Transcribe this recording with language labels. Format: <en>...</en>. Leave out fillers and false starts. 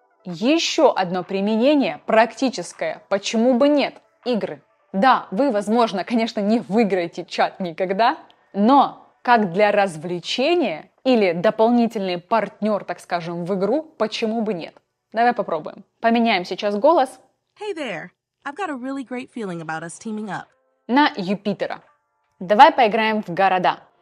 <ru>Еще одно применение, практическое, почему бы нет, игры. Да, вы, возможно, конечно, не выиграете чат никогда, но как для развлечения или дополнительный партнер, так скажем, в игру, почему бы нет? Давай попробуем. Поменяем сейчас голос.</ru> <en>Hey there. I've got a really great feeling about us teaming up.</en> <ru>На Юпитера. Давай поиграем в города.</ru>